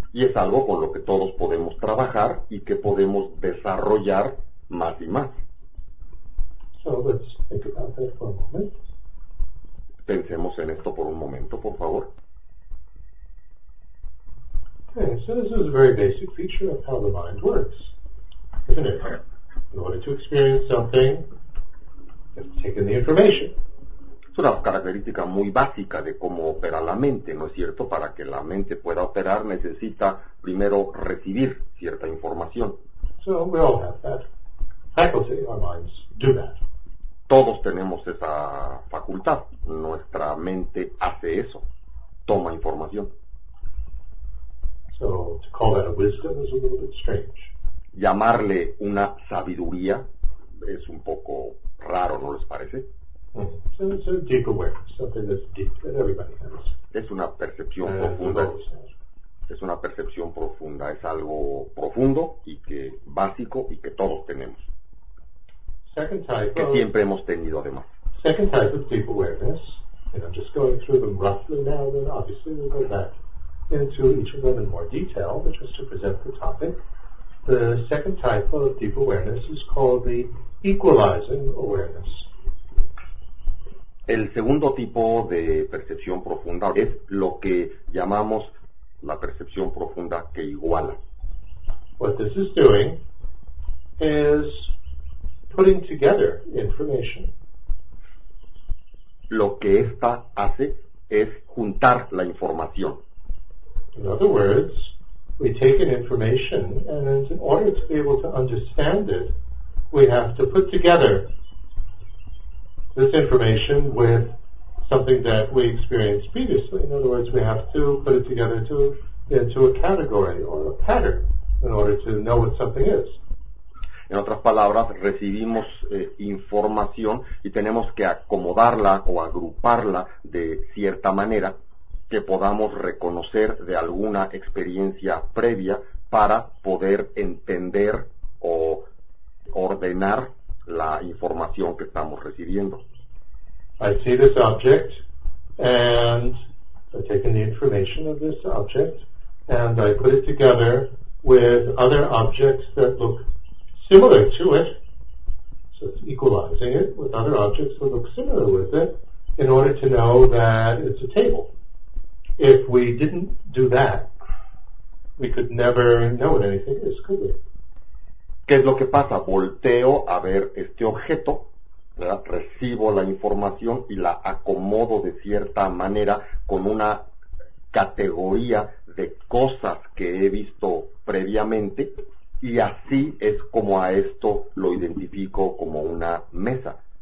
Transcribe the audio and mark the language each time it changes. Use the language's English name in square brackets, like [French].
[Spanish] Y es algo con lo que todos podemos trabajar y que podemos desarrollar más y más. [English] So let's think about that for a moment. [Spanish] Pensemos en esto por un momento, por favor. [English] Okay, so this is a very basic feature of how the mind works, isn't it? In order to experience something, you have to take in the information. [Spanish] Es una característica muy básica de cómo opera la mente, ¿no es cierto? Para que la mente pueda operar, necesita primero recibir cierta información. [English] So we all have that faculty, our minds do that. [Spanish] Todos tenemos esa facultad. Nuestra mente hace eso. Toma información. [English] So to call that a wisdom is a little bit strange. [Spanish] Llamarle una sabiduría es un poco raro, ¿no les parece? Mm-hmm. [English] So it's a deep awareness, something that's deep that everybody has. [Spanish] Es una percepción profunda. Es una percepción profunda. Es algo profundo y que básico y que todos tenemos. [English] Second type. [Spanish] Que siempre hemos tenido además. [English] Second type of deep awareness. And I'm just going through them roughly now. Then obviously we'll go back into each of them in more detail, but just to present the topic. The second type of deep awareness is called the equalizing awareness. [Spanish] El segundo tipo de percepción profunda es lo que llamamos la percepción profunda que iguala. [English] What this is doing is putting together information. [Spanish] Lo que esta hace es juntar la información. [English] In other words, we take in information and in order to be able to understand it, we have to put together this information with something that we experienced previously. In other words, we have to put it together into a category or a pattern in order to know what something is. [Spanish] En otras palabras, recibimos información y tenemos que acomodarla o agruparla de cierta manera que podamos reconocer de alguna experiencia previa para poder entender o ordenar la información que estamos recibiendo. [English] I see this object and I've taken the information of this object and I put it together with other objects that look similar to it. So it's equalizing it with other objects that look similar with it in order to know that it's a table. If we didn't do that, we could never know what anything is, could we? [Spanish] ¿Qué es lo que pasa? Volteo a ver este objeto, ¿verdad? Recibo la información y la acomodo de cierta manera con una categoría de cosas que he visto previamente y así es como a esto lo identifico como una mesa.